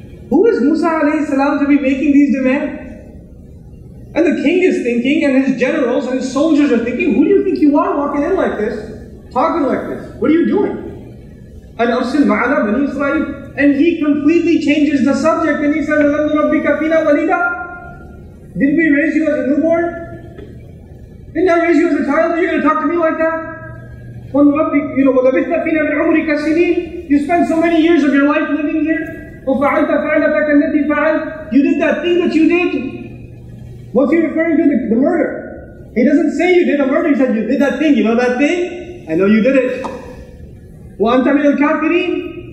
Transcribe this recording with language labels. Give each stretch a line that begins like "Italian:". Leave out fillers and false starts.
English: Who is Musa alayhi salam to be making these demands? And the king is thinking, and his generals and his soldiers are thinking, who do you think you are walking in like this, talking like this? What are you doing? And
Arabic: arsil ma'ana bani Israel.
English: And he completely changes the subject, and he says,
Arabic: Alhamdu rabbika fina walida.
English: Didn't we raise you as a newborn? Didn't I raise you as a child? Are you going to talk to me like that? You know,
Arabic: وَلَبِثْتَ فِينَ مِنْ عُمْرِكَ سِنِينَ.
English: You spent so many years of your life living here.
Arabic: وَفَعَلْتَ فَعَلَتَكَ النَّتِي فَعَلْ.
English: You did that thing that you did. What's he referring to? The murder. He doesn't say you did a murder. He said you did that thing. You know that thing? I know you did it.
Arabic: وَأَنْتَ مِنَ الْكَافِرِينَ.